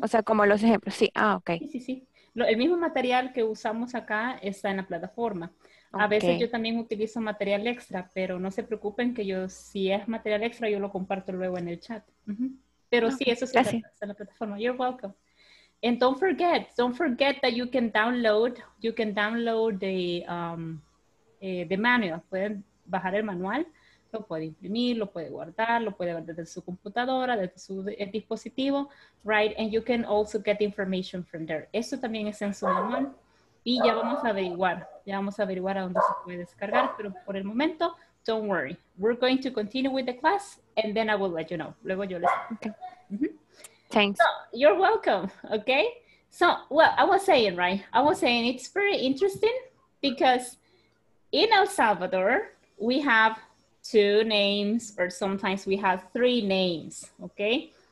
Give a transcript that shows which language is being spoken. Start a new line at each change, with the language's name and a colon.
Spanish: O sea, como los ejemplos. Sí, ok. Sí. El mismo material que usamos acá está en la plataforma. Okay. A veces yo también utilizo material extra, pero no se preocupen que yo, si es material extra, yo lo comparto luego en el chat. Pero okay. Sí, eso sí está en la plataforma.
English: You're welcome. And don't forget that you can download the manual.
Spanish: Pueden bajar el manual, lo puede imprimir, lo puede guardar, lo puede ver desde su computadora, desde su dispositivo, right?
English: And you can also get information from there.
Spanish: Eso también es en su manual. Y ya vamos a averiguar a dónde se puede descargar, pero por el momento,
English: don't worry. We're going to continue with the class and then I will let you know.
Spanish: Luego yo les...
English: Okay. Thanks. So, you're welcome, okay? So, well, I was saying it's very interesting because in El Salvador, we have two names or sometimes we have three names, okay?